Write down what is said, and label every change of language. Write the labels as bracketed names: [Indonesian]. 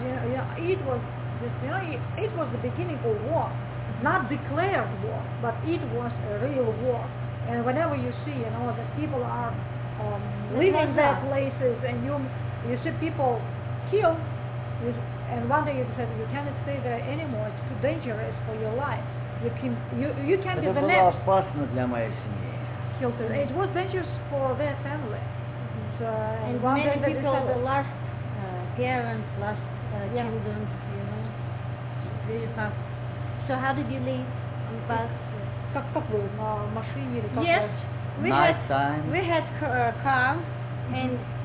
[English] You know, it was just, you know, it was the beginning of war, not declared war, but it was a real war. And whenever you see, you know, that people are leaving their places and you see people killed, and one day you said you cannot stay there anymore. It's too dangerous for your life. You can be the next. [Russian] Это было опасно для моей семьи. [English] It was dangerous for their family. Mm-hmm. And many people lost parents, lost children, you know. Very fast. So how did you leave on the bus? [Russian] Как вы на машине или как? [English] Yes, we had car mm-hmm. and.